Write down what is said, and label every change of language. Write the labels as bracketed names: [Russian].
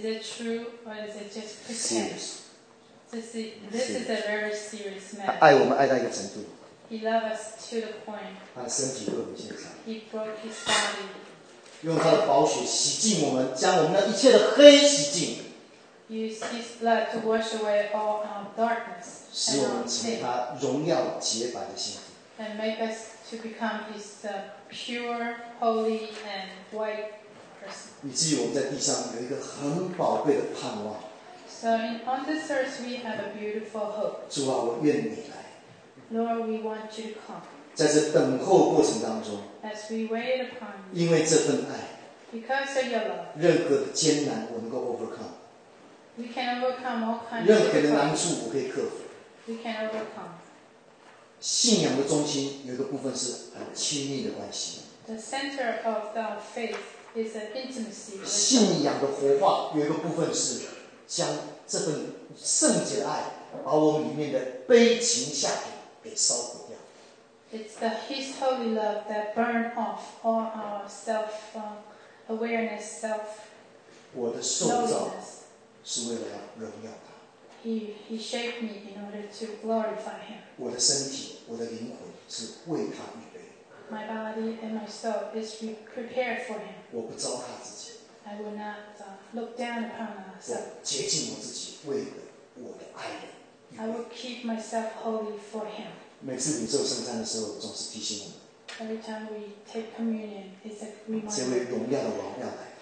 [English] Is it true or is it just pretend? This is a very serious matter. [Chinese] 他爱我们爱到一个程度。 [English] He loved us to the point. [Chinese] 他的身体为我们献上。 [English] He broke his body. [Chinese] 用他的宝血洗净我们，将我们那一切的黑洗净。 [English] Use his blood to wash away all our darkness. [Chinese] 使我们成他荣耀洁白的心。 [English] And make us to become his pure, holy, and white person. [Chinese] 以至于我们在地上有一个很宝贵的盼望。 [English] So on this earth, we have a beautiful hope. [Chinese] 主啊，我愿你来。 [English] Lord, we want you to come. [Chinese] 在这等候过程当中。 [English] As we wait upon you. [Chinese] 因为这份爱。 [English] Because of your love. [Chinese] 任何的艰难我能够 overcome. [English] We can overcome all kinds. [Chinese] 任何的难处我可以克服。 [English] We can overcome. [Chinese] 信仰的中心有一个部分是很亲密的关系。 [English] The center of the faith is an intimacy. [Chinese] 信仰的活化有一个部分是。将这份圣洁的爱把我里面的悲情下品给烧毁掉。 [English] It's the His holy love that burned off all our self awareness, self. [Chinese] 我的塑造是为了要荣耀他。 [English] He shaped me in order to glorify Him. [Chinese] 我的身体，我的灵魂是为他预备。 [English] My body and my soul is prepared for Him. [Chinese] 我不糟蹋自己。 [English] I will not look down upon myself. I will keep myself holy for Him. Every time we take communion, it's a reminder.